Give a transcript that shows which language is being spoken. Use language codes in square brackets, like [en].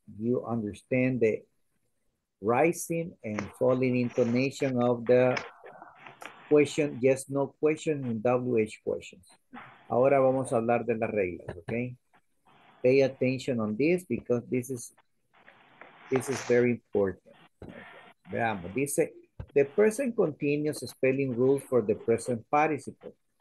[en] You understand the rising and falling intonation of the question, yes, no question, and WH questions. [es] Ahora vamos a hablar de las reglas, okay? [en] Pay attention on this because this is very important. [es] Veamos, dice, [en] the present continuous spelling rules for the present participle.